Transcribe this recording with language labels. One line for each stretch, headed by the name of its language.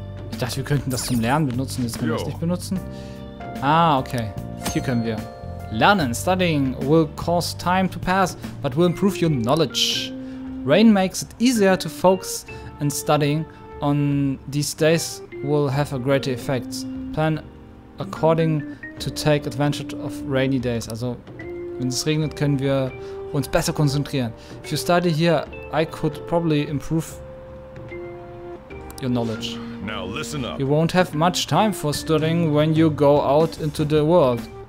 German: Ich dachte, wir könnten das zum Lernen benutzen, jetzt können wir es nicht benutzen. Ah, okay. Hier können wir.
English: Lernen, studying will cause time to pass, but will improve your knowledge. Rain makes it easier to focus and studying on these days will have a greater effect. Plan according to take advantage of rainy days.
German: Also, wenn es regnet, können wir uns besser konzentrieren.
English: If you study here, I could probably improve your knowledge. Now listen up. You won't have much time for studying when you go out into the world.